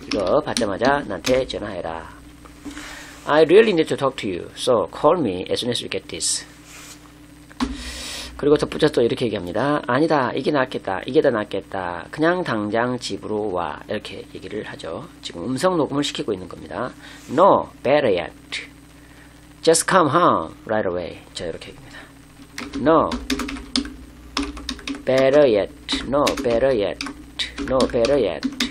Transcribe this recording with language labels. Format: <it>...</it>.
<ko>이거 받자마자 나한테 전화해라.</ko> <en>I really need to talk to you. So call me as soon as you get this.</en> <ko>그리고 덧붙여서 이렇게 얘기합니다. 아니다. 이게 더 낫겠다. 그냥 당장 집으로 와. 이렇게 얘기를 하죠. 지금 음성 녹음을 시키고 있는 겁니다.</ko> <en>No, better yet. Just come home right away.</en> <ko>자, 이렇게 얘기합니다.</ko> <en>No. Better yet. No, better yet. No, better yet.</en>